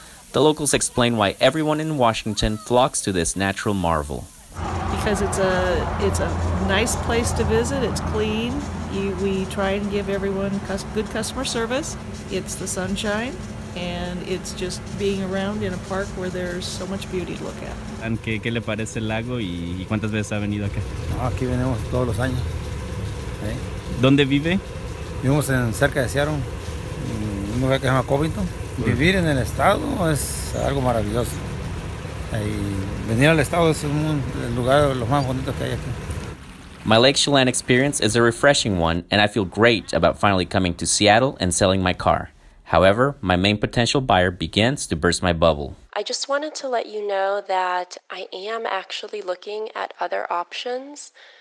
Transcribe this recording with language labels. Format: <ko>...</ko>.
<en>The locals explain why everyone in Washington flocks to this natural marvel. Because it's a nice place to visit, it's clean. We try and give everyone good customer service, it's the sunshine. And it's just being around in a park where there's so much beauty to look at.</en> <es>¿Y qué le parece el lago y cuántas veces ha venido acá? Aquí venimos todos los años. ¿Eh? ¿Dónde vive? Vivimos en cerca de Seattle, un lugar que se llama Covington. Sí. Vivir en el estado es algo maravilloso. Y venir al estado es un lugar de los más bonitos que hay aquí.</es> <en>My Lake Chelan experience is a refreshing one, and I feel great about finally coming to Seattle and selling my car. However, my main potential buyer begins to burst my bubble. I just wanted to let you know that I am actually looking at other options.</en>